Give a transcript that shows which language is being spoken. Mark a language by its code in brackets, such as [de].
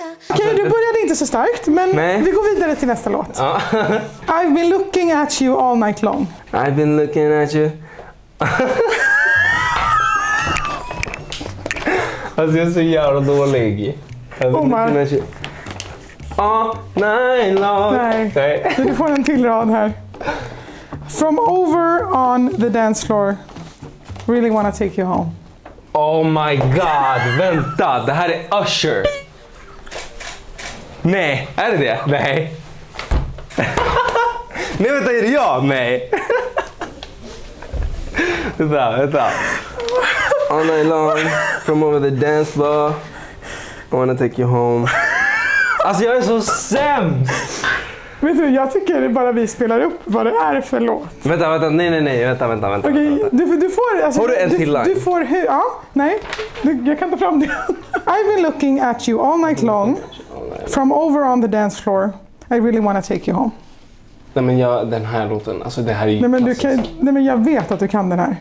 [sv] Okej, du började inte så starkt, men vi går vidare till nästa låt. Ja. [en] I've been looking at you all night long. I've been looking at you. [sv] Alltså jag är så jävla dålig. Omar. [en] All night long. [sv] Nej, du får en till rad här. [en] From over on the dance floor, really wanna take you home. [sv] Oh my god, vänta, det här är Usher. Nej, är det det? Nej. Nej, vänta, är det jag? Nej. Vänta. [en] All night long, from over the dance floor, I wanna take you home. [sv] Alltså jag är så sämst! Vet du, jag tycker att bara vi spelar upp vad det är för låt. Vänta. Okej, du får... Alltså, har du en till line? Du får... Ja, nej. Jag kan ta fram det. [en] I've been looking at you all night long. From over on the dance floor, I really wanna take you home. [sv] Nej men jag, den här låten, alltså det här är ju klassiskt. Nej men jag vet att du kan den här.